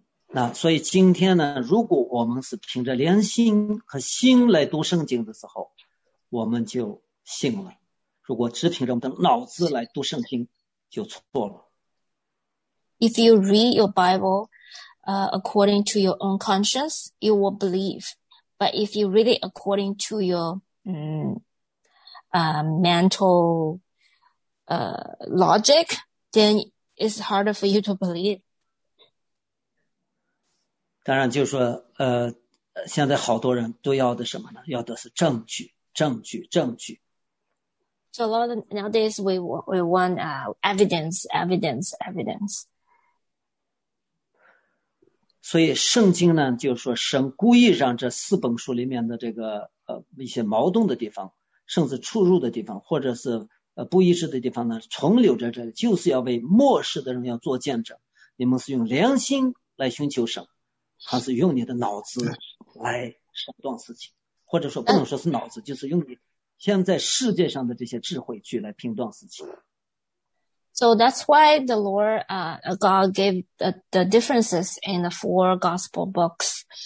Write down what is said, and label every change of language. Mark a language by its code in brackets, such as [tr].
[zh] 那所以今天呢，如果我们是凭着良心和心来读圣经的时候，我们就信了。如果只凭着我们的脑子来读圣经，就错了。 [en] If you read your Bible, according to your own conscience, you will believe. But if you read it according to your mental logic, then it's harder for you to believe. [zh] 当然，就是说，现在好多人都要的什么呢？要的是证据，证据，证据。 [en] So a lot of nowadays we want evidence. [zh] 所以圣经呢，就是说神故意让这四本书里面的这个一些矛盾的地方，甚至出入的地方，或者是不一致的地方呢，存留着这个，就是要为末世的人要做见证。你们是用良心来寻求神，还是用你的脑子来审断事情？或者说不能说是脑子，就是用你现在世界上的这些智慧去来评断事情。 [en] So that's why the Lord, God gave the differences in the four gospel books.